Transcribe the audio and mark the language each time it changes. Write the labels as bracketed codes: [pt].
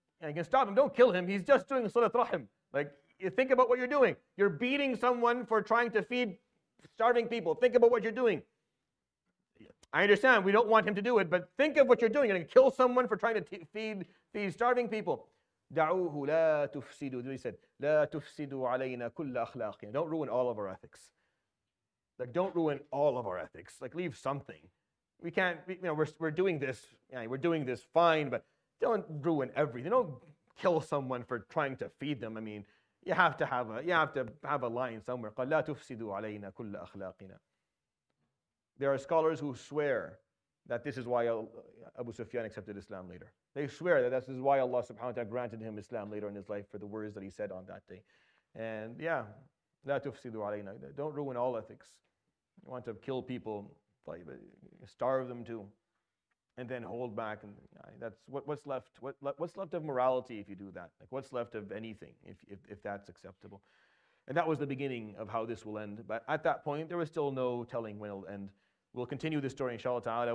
[en] And you can stop him, don't kill him. He's just doing salat rahim. Like, think about what you're doing. You're beating someone for trying to feed starving people. Think about what you're doing. I understand, we don't want him to do it, but think of what you're doing. You're going to kill someone for trying to feed these starving people. [ar] دعوه لا تفسدوا. [en] He said, [ar] لا تفسدوا علينا كل أخلاقنا. [en] Don't ruin all of our ethics. Like, don't ruin all of our ethics. Like, leave something. We can't, you know, we're doing this. Yeah, we're doing this fine, but don't ruin everything. Don't kill someone for trying to feed them. I mean, you have to have a line somewhere. [ar] قال لا تفسدوا علينا كل أخلاقنا. [en] There are scholars who swear that this is why Abu Sufyan accepted Islam later. They swear that this is why Allah subhanahu wa ta'ala granted him Islam later in his life for the words that he said on that day. And yeah, [ar] لا تفسدوا علينا. [en] Don't ruin all ethics. You want to kill people, starve them too, and then hold back. And that's what's left. What's left of morality if you do that? Like, what's left of anything if that's acceptable? And that was the beginning of how this will end. But at that point, there was still no telling when it'll end. We'll continue this story, inshallah ta'ala.